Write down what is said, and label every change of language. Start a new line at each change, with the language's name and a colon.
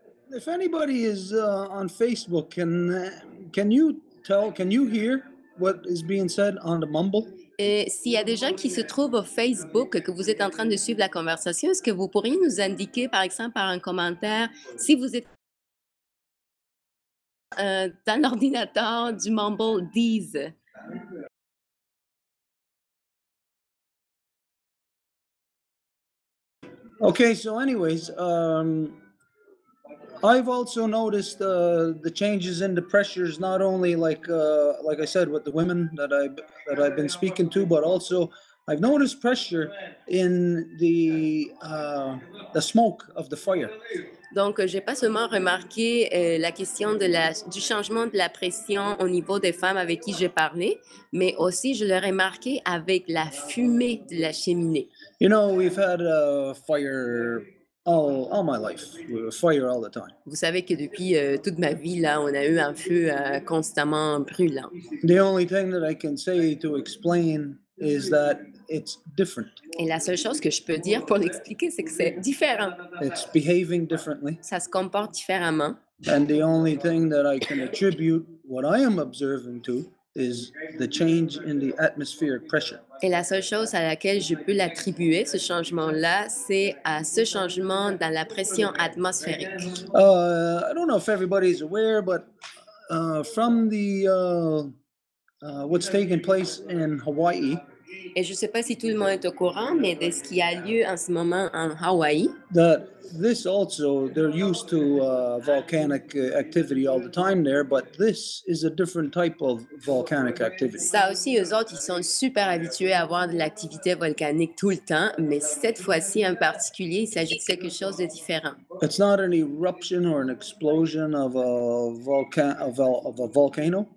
English: If anybody is on Facebook, can you tell, can you hear what is being said on the mumble?
French: S'il y a des gens qui se trouvent au Facebook, que vous êtes en train de suivre la conversation, est-ce que vous pourriez nous indiquer, par exemple, par un commentaire, si vous êtes dans l'ordinateur du mumble Deez?
English: Okay, so anyways, I've also noticed the changes in the pressures, not only like I said, with the women that I've been speaking to, but also I've noticed pressure in the smoke of the fire.
French: Donc, j'ai pas seulement remarqué la question du changement de la pression au niveau des femmes avec qui j'ai parlé, mais aussi je l'ai remarqué avec la fumée de la cheminée.
English: You know, we've had a fire all my life. We have a fire all the time.
French: Vous savez que depuis toute ma vie là, on a eu un feu constamment brûlant.
English: The only thing that I can say to explain is that it's different.
French: Et la seule chose que je peux dire pour l'expliquer, c'est que c'est différent.
English: It's behaving differently.
French: Ça se comporte différemment.
English: And the only thing that I can attribute what I am observing to is the change in the atmospheric pressure.
French: Et la seule chose à laquelle je peux l'attribuer, ce changement-là, c'est à ce changement dans la pression atmosphérique.
English: I don't know if everybody's aware, but from the what's taking place in Hawaii.
French: Et je ne sais pas si tout le monde est au courant, mais de ce qui a lieu en ce moment en Hawaï.
English: That this also, they're used to volcanic activity all the time there, but this is a different type of volcanic activity.
French: Ça aussi, eux autres, ils sont super habitués à avoir de l'activité volcanique tout le temps, mais cette fois-ci en particulier, il s'agit de quelque chose de différent.
English: It's not an eruption or an explosion of a volcan, of a volcano.